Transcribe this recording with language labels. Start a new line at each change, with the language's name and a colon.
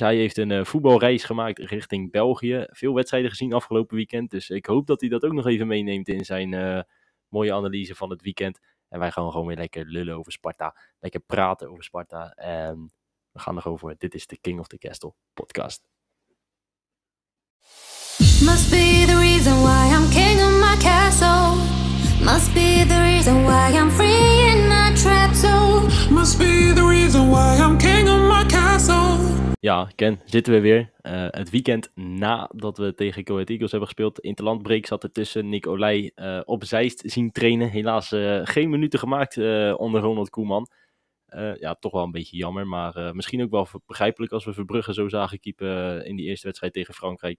Dutch: Hij heeft een voetbalreis gemaakt richting België. Veel wedstrijden gezien afgelopen weekend. Dus ik hoop dat hij dat ook nog even meeneemt in zijn mooie analyse van het weekend. En wij gaan gewoon weer lekker lullen over Sparta. Lekker praten over Sparta. En we gaan er gewoon voor. Dit is de King of the Castle podcast.
English: Must be the reason why I'm king of my castle. Must be the reason why I'm free in my trap zone. Must be the reason why I'm king of my castle.
Dutch: Ja, Ken, zitten we weer. Het weekend nadat we tegen Go Ahead Eagles hebben gespeeld. Interlandbreak zat ertussen. Nick Olij op Zeist zien trainen. Helaas geen minuten gemaakt onder Ronald Koeman. Toch wel een beetje jammer. Maar misschien ook wel begrijpelijk als we Verbrugge zo zagen keepen in die eerste wedstrijd tegen Frankrijk.